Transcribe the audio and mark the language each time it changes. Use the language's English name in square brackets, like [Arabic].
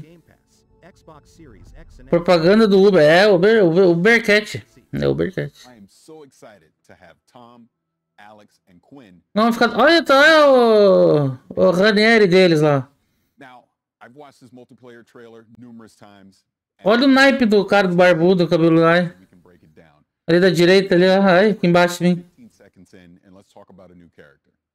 [English] Game Pass, Xbox Series X and [Portuguese] propaganda do Uber. É Ubercatch. [English] I am so excited to have Tom, Alex, and Quinn. [Portuguese] Não, fica... Olha, tá o Ranieri deles lá. [English] Now, I've watched this multiplayer trailer numerous times. [Portuguese] Olha o naipe do cara do barbudo, cabelo lá. Ali da direita, ali, aí, embaixo de mim. [English] 15 seconds in, and let's talk about a new character.